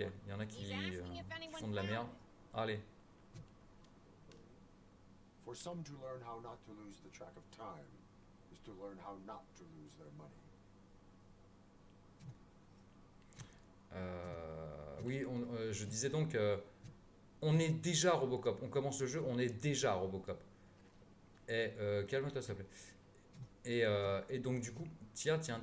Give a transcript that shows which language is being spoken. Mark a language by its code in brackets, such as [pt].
[fr] Il y en a qui font de la merde. Allez. [en] For some to learn how not to lose the track of time is to learn how not to lose their money. [fr] Oui, je disais donc... on est déjà Robocop. On commence le jeu, on est déjà Robocop. Et calme-toi, s'il te plaît. Et donc, du coup, tiens.